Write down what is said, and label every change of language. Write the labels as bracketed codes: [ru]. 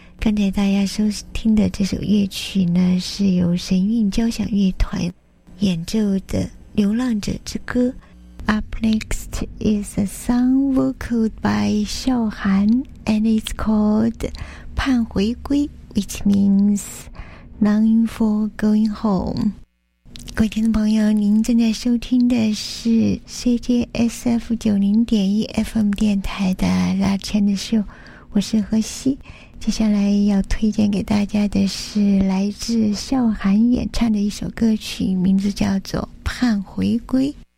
[zh] 刚才大家收听的这首乐曲呢，是由神韵交响乐团演奏的《流浪者之歌》。 [en] Up next is a song vocaled by 笑涵 and it's called 盼回归 which means longing for going home。 [zh] 各位听众朋友，您正在收听的是 CJSF 90.1 FM 电台的 拉千的秀，我是何西。接下来要推荐给大家的是来自笑涵演唱的一首歌曲，名字叫做盼回归。